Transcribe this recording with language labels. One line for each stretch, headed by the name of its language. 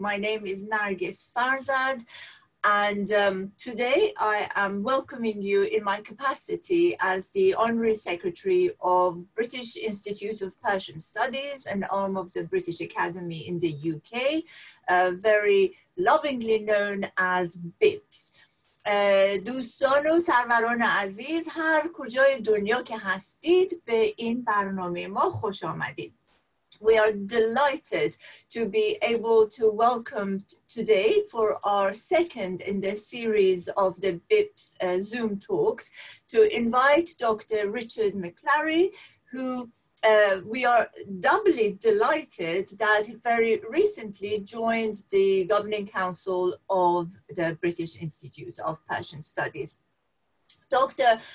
English: My name is Nargis Farzad and today I am welcoming you in my capacity as the Honorary Secretary of British Institute of Persian Studies, an arm of the British Academy in the UK, very lovingly known as BIPS.
Persian: دوستان و سروران عزیز هر کجای دنیا که هستید به این برنامه ما خوش آمدید.
English: We are delighted to be able to welcome today for our second in the series of the BIPS Zoom talks to invite Dr. Richard McClary, who we are doubly delighted that he very recently joined the Governing Council of the British Institute of Persian Studies. Dr.